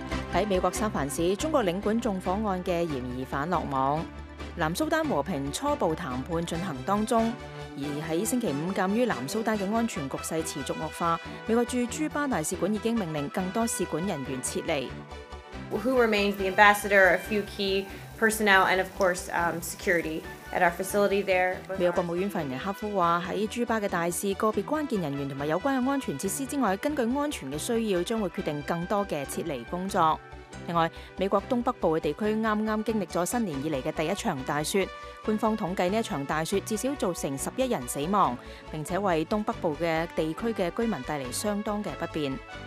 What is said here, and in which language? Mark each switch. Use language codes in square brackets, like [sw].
[zh] 在美国三藩市，中国领馆纵火案的嫌疑犯落网，南苏丹和平初步谈判进行当中，而在星期五，鉴于南苏丹的安全局势持续恶化，美国驻朱巴大使馆已经命令更多使馆人员撤离。 [en] Who remains the ambassador, a few key personnel, and of course, security at our facility there. [zh] 美国国务院发言人哈夫说，在朱巴的大使、个别关键人员和有关的安全设施之外，根据安全的需要，将会决定更多的撤离工作。另外，美国东北部的地区刚刚经历了新年以来的第一场大雪，官方统计这场大雪至少造成11人死亡，并且为东北部的地区的居民带来相当的不便。